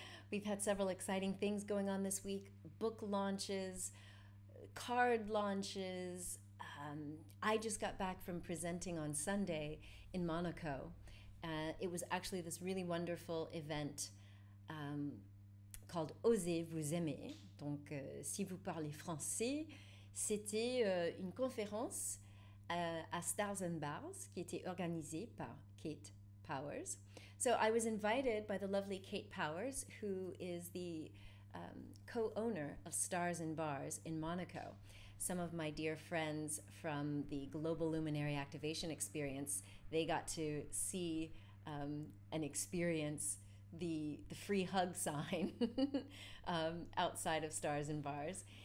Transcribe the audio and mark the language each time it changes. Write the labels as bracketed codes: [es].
[en] We've had several exciting things going on this week: book launches, card launches. I just got back from presenting on Sunday in Monaco. It was actually this really wonderful event called Osez vous aimer. [fr] Donc, si vous parlez français, c'était une conférence à Stars and Bars qui était organisée par Kate Powers. [en] So I was invited by the lovely Kate Powers, who is the co-owner of Stars and Bars in Monaco. Some of my dear friends from the Global Luminary Activation Experience, they got to see and experience the free hug sign outside of Stars and Bars.